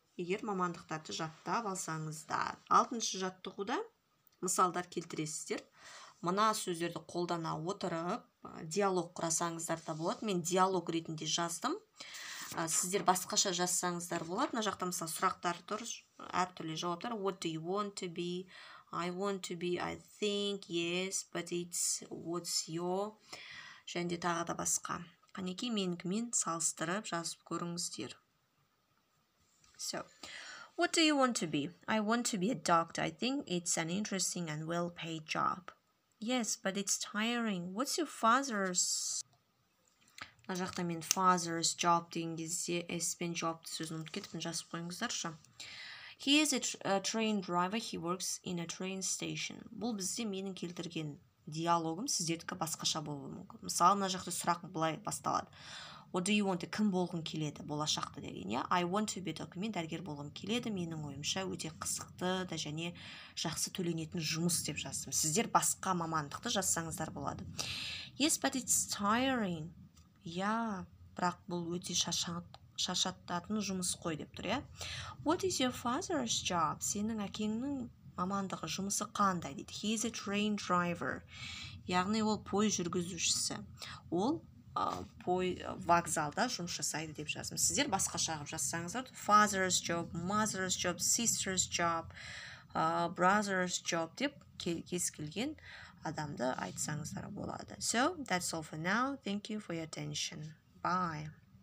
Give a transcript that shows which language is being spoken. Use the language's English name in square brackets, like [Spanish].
[Kazakh] егер мамандықтарды жаттап алсаңыздар. 6-шы жаттығуда мысалдар келтіресіздер. Мына сөздерді қолдана отырып, диалог құрасаңыздар да болады. Мен диалог ретінде жаздым. Сіздер басқаша жазсаңыздар болады. Мына жақта мысалы сұрақтар тұр, әртүрлі жауаптар. [English] What do you want to be? I want to be, I think, yes, but it's, what's your? [Kazakh] Және де тағы да басқа. Қанекей менікімен салыстырып жазып көріңіздер. [English] So, what do you want to be? I want to be a doctor. I think it's an interesting and well-paid job. Yes, but it's tiring. What's your father's? [Kazakh] На жақта мен father's job деген кезде S-пен job-ты сөзін ұмытып кетіппін, жазып қойыңыздаршы. [English] He is a train driver. He works in a train station. [Kazakh] Бұл бізде менің келтірген диалогым, сіздердікі басқаша болуы мүмкін. Мысалы, мына жақта сұрақ былай басталады. [English] What do you want to? [Kazakh] Кім болғың келеді болашақты деген, иә? [English] I want to be a doctor. [Kazakh] Мен дәрігер болғым келеді. Менің ойымша өте қызықты да және жақсы төленетін жұмыс деп жаздым. Сіздер басқа мамандықты жазсаңыздар болады. [English] Yes, but it's tiring. [Kazakh] Yeah, бірақ бұл өте шаршататын жұмыс қой деп тұр, иә? [English] What is your father's job? [Kazakh] Сенің әкеңнің мамандығы жұмысы қандай дейді. [English] He is a train driver. [Kazakh] Яғни ол пойыз жүргізушісі. Ол вокзалда жұмыс жасайды деп жазамыз. Сіздер басқаша қып жазсаңыздар, [English] father's job, mother's job, sister's job, brother's job [Kazakh] деп кез-келген адамды айтсаңыздар болады. [English] So, that's all for now. Thank you for your attention. Bye.